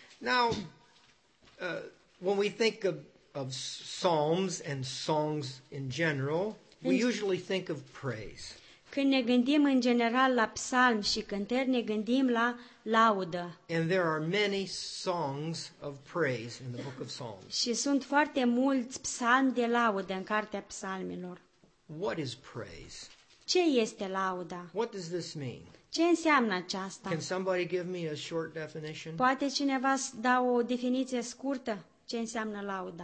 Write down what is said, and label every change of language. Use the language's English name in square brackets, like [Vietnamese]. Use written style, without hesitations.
[English] Now, when we think of psalms and songs in general, we usually think of praise. [Romanian] Când ne gândim în general la psalmi și cântări, ne gândim la laudă. [English] And there are many songs of praise in the book of Psalms. [Romanian] Și sunt foarte mulți psalmi de laudă în cartea psalmilor. [English] What is praise? [Romanian] Ce este lauda? [English] What does this mean? [Romanian] Ce înseamnă aceasta? [English] Can somebody give me a short definition? [Romanian] Poate cineva să dea o definiție scurtă ce înseamnă lauda?